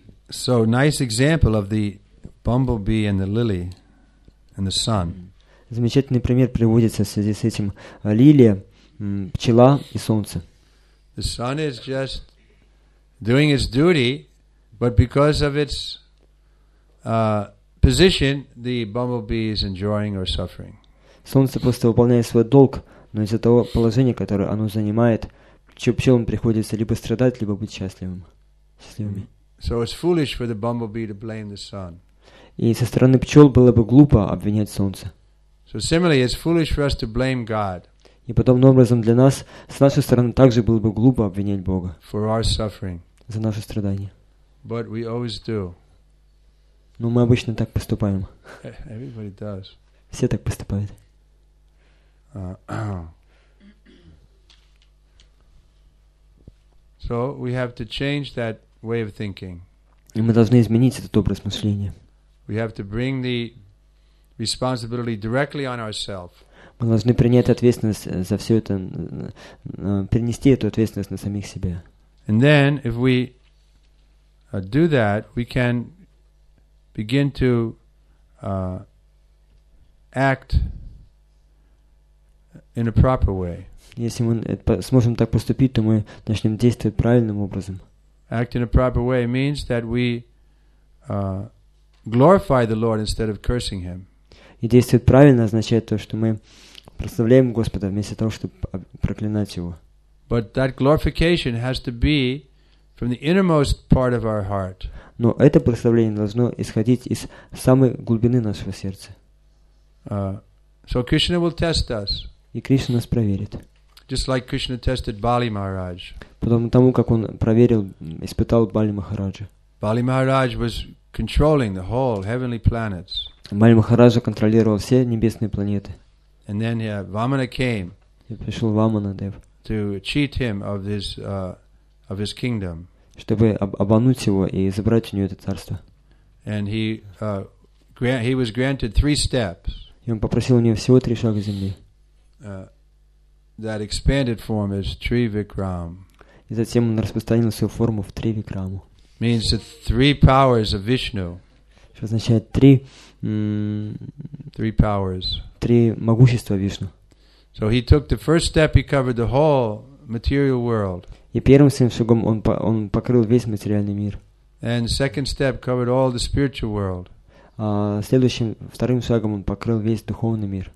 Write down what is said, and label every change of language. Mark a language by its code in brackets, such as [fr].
[en] So, nice example of the bumblebee and the lily and the sun. [ru] Замечательный пример приводится в связи с этим. Лилия, пчела и солнце. [en] The sun is just doing its duty, but because of its position, the bumblebee is enjoying or suffering. [ru] Солнце просто выполняет свой долг, но из-за того положения, которое оно занимает, пчелам приходится либо страдать, либо быть счастливыми. [en] So it's foolish for the bumblebee to blame the sun. [ru] И со стороны пчел было бы глупо обвинять солнце. [en] So similarly, it's foolish for us to blame God. [ru] И подобным образом для нас, с нашей стороны, также было бы глупо обвинять Бога [en] for our suffering. [ru] За наши страдания. [en] But we always do. [ru] Но мы обычно так поступаем. [en] Everybody does. [ru] Все так поступают. [en] So we have to change that way of thinking. [ru] И мы должны изменить этот образ мышления. [en] We have to bring the responsibility directly on ourselves. [ru] Мы должны принять ответственность за все это, перенести эту ответственность на самих себя. [en] And then, if we do that, we can begin to act in a proper way. [ru] Если мы сможем так поступить, то мы начнем действовать правильным образом. [en] Act in a proper way means that we glorify the Lord instead of cursing Him. [ru] И действовать правильно означает то, что мы прославляем Господа вместо того, чтобы проклинать Его. [en] But that glorification has to be from the innermost part of our heart. [ru] Но это прославление должно исходить из самой глубины нашего сердца. [en] So Krishna will test us. [ru] И Кришна нас проверит. [en] Just like Krishna tested Bali Maharaj. [ru] Потому тому, как он проверил, испытал Бали Махараджа. [en] Bali Maharaj was controlling the whole heavenly planets. [ru] Бали Махараджа контролировал все небесные планеты. [en] And then Vamana came. [ru] И пришел Вамана Дев. [en] To cheat him of his of his kingdom. [ru] Чтобы обмануть его и забрать у него это царство. [en] And he was granted three steps. [ru] И он попросил у него всего три шага земли. [en] That expanded form is Trivikram. [ru] И затем он распространил свою форму в Тривикраму. [en] Means the three powers of Vishnu. [ru] Что означает три? [en] Three powers. [ru] Три могущества Вишну. [en] So he took the first step. He covered the whole material world. [ru] И первым своим шагом он покрыл весь материальный мир. [en] And second step covered all the spiritual world. [ru] Следующим вторым шагом он покрыл весь духовный мир.